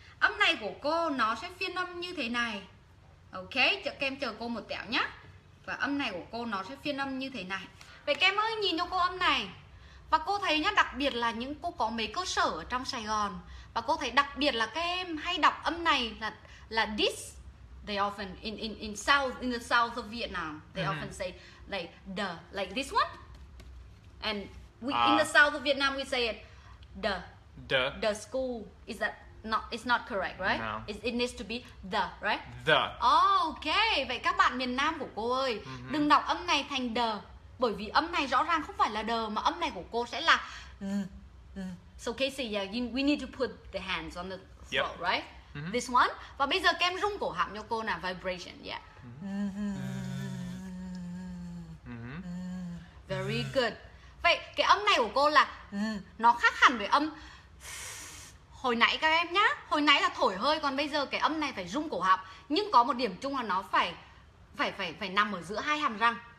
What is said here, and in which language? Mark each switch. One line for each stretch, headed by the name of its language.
Vietnamese: Âm này của cô nó sẽ phiên âm như thế này. Ok, chờ, các em chờ cô một tẹo nhé. Và âm này của cô nó sẽ phiên âm như thế này. Vậy các em ơi, nhìn cho cô âm này. Và cô thấy nhá, đặc biệt là những cô có mấy cơ sở ở trong Sài Gòn. Và cô thấy đặc biệt là các em hay đọc âm này là this.
English: They often, in south, in the south of Vietnam, they mm-hmm. often say like the, like this one. And we in the south of Vietnam we say it the. The. The school. Is that not, it's not correct, right? No. It needs to be the, right? The. Oh, okay.
Vietnamese: Vậy các bạn miền Nam của cô ơi, mm-hmm. đừng đọc âm này thành the. Bởi vì âm này rõ ràng không phải là the, mà âm này của cô sẽ là th.
English: So Kasey, yeah, we need to put the hands on the throat, yep. right? Mm-hmm. This one.
Vietnamese: Và bây giờ kem rung cổ họng cho cô nè,
English: vibration, yeah. Mm-hmm. Mm-hmm. Very good.
Vietnamese: Vậy cái âm này của cô là nó khác hẳn với âm hồi nãy các em nhá. Hồi nãy là thổi hơi, còn bây giờ cái âm này phải rung cổ họng, nhưng có một điểm chung là nó phải nằm ở giữa hai hàm răng.